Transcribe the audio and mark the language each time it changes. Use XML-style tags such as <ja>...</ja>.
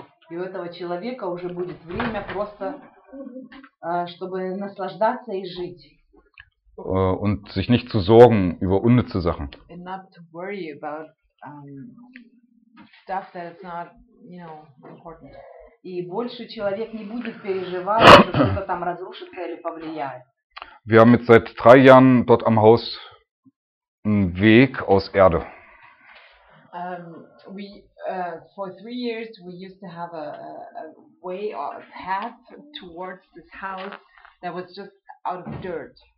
<ru>И у этого человека уже будет время просто, чтобы наслаждаться и жить.</ru> <de>Und sich nicht zu sorgen über unnütze Sachen.</de> <en>And not to worry about stuff that is not, you know, important.</en> <ru>И больше человек не будет переживать, что что-то там разрушится или повлияет.</ru> <de>Wir haben jetzt seit 3 Jahren dort am Haus einen Weg aus Erde.</de> <en>For 3 years we used to have a way or a path towards this house that was just out of dirt.</en>